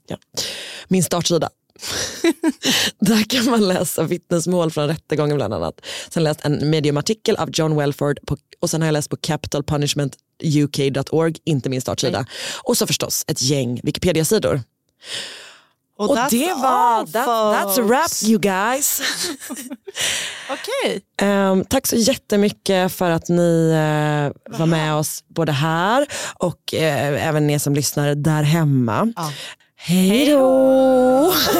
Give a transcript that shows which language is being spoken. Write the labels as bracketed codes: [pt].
[sv] Ja. Min startsida. Där kan man läsa vittnesmål från rättegången bland annat. Sen läst en mediumartikel av John Welford på, och sen har jag läst på Capital Punishment UK.org, inte min startsida. Nej. Och så förstås ett gäng Wikipedia-sidor. Och det var [en] that's a wrap, you guys. [sv] Okej. Okay. Tack så jättemycket för att ni var med oss både här och även ni som lyssnar där hemma. Ja. Hej då!